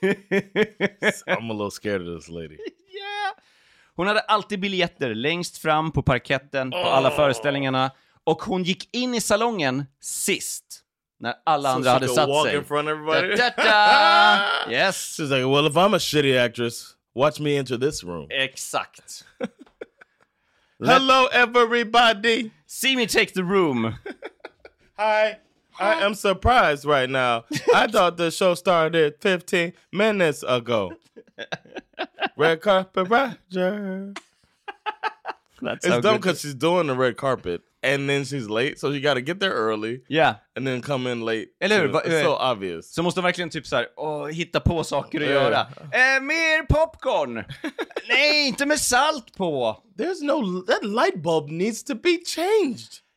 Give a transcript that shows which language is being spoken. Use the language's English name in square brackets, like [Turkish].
[English] I'm a little scared of this lady. Yeah. [Swedish] Hon hade alltid biljetter längst fram på parketten på alla föreställningarna, och hon gick in i salongen sist när alla [English] so [Swedish] andra hade satt [English] walk [Swedish] sig. [English] In front of everybody. Da-da-da! Yes. She's like, well, if I'm a shitty actress, watch me enter this room. [Swedish] Exakt. [English] Hello everybody. See me take the room. Hi. I am surprised right now. I thought the show started 15 minutes ago. Red carpet Roger. That's it's so dumb because she's doing the red carpet and then she's late. So you got to get there early. Yeah. And then come in late. [Swedish] Eller, [English] it's so obvious. [Swedish] Så måste verkligen typ så här, hitta på saker att göra. Mer popcorn. Nej, inte med salt på. [English] There's no, that light bulb needs to be changed.